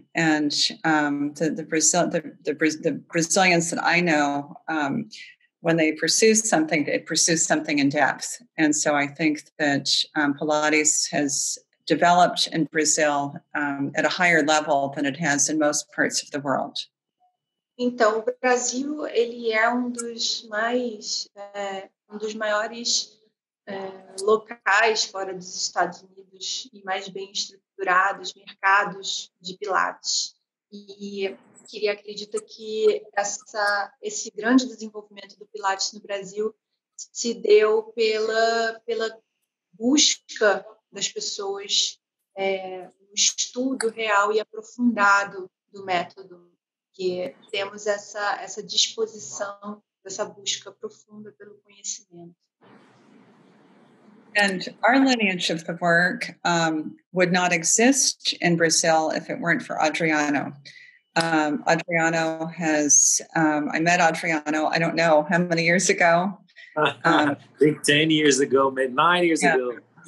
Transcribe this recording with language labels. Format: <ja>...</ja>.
<en>And the Brazilians that I know, when they pursue something, it pursues something in depth. And so I think that Pilates has developed in Brazil at a higher level than it has in most parts of the world.</en> <pt>Então, o Brasil, ele é um dos maiores locais fora dos Estados Unidos e mais bem estruturados mercados de Pilates. E queria acreditar que esse grande desenvolvimento do Pilates no Brasil se deu pela busca das pessoas, um estudo real e aprofundado do método, que temos essa disposição, essa busca profunda pelo conhecimento.</pt> <en>And our lineage of the work would not exist in Brazil if it weren't for Adriano. Adriano has, I met Adriano, I don't know how many years ago. I think 10 years ago, maybe 9 years ago.</en>